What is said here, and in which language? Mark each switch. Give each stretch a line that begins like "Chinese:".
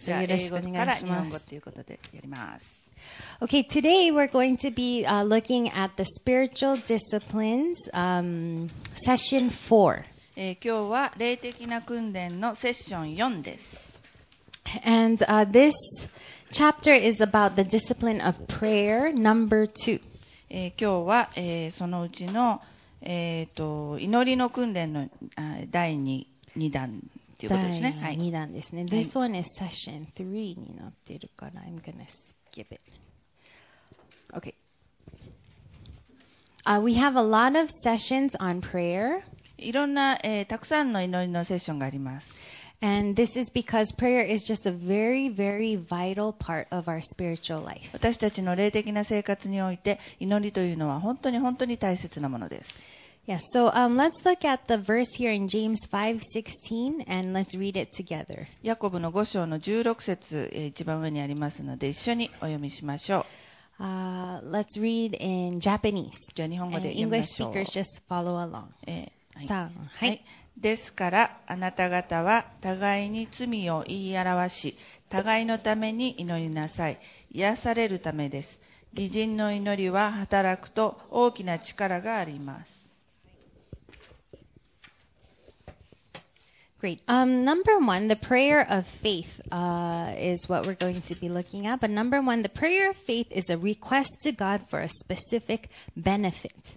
Japanese: So, よろしくお願いします。英語から日本語ということでやります。
English: Okay, today we're going to be looking at the spiritual disciplines, session 4.
Japanese: 今日は霊的な訓練のセッション4です。
English: And this chapter is about the discipline of prayer number 2.
Japanese: 今日は、そのうちの、祈りの訓練の第 2弾ということですね。第2弾ですね、はい。
English: This one is session 3
Japanese: になっているから、
English: I'm gonna skip it. Okay. We have a lot of sessions on prayer.
Japanese: いろんな、たくさんの祈りのセッションがあります。
English: And this is because prayer is just a very, very vital part of our spiritual life.
Japanese: 私たちの霊的な生活において、祈りというのは本当に本当に大切なものです。
English: Yes, so let's look at the verse here in James 5:16 and let's read it together.
Japanese: ヤコブの5章の16節、一番上にありますので一緒にお読みしましょう。
English: Let's read in Japanese.
Japanese: じゃあ日本語で読みましょう。
English: English speakers just follow along.
Japanese: はい、はい。ですからあなた方は互いに罪を言い表し、互いのために祈りなさい。癒されるためです。義人の祈りは働くと大きな力があります。
English: Great. Number one, the prayer of faith is what we're going to be looking at. But number one, the prayer of faith is a request to God for a specific benefit.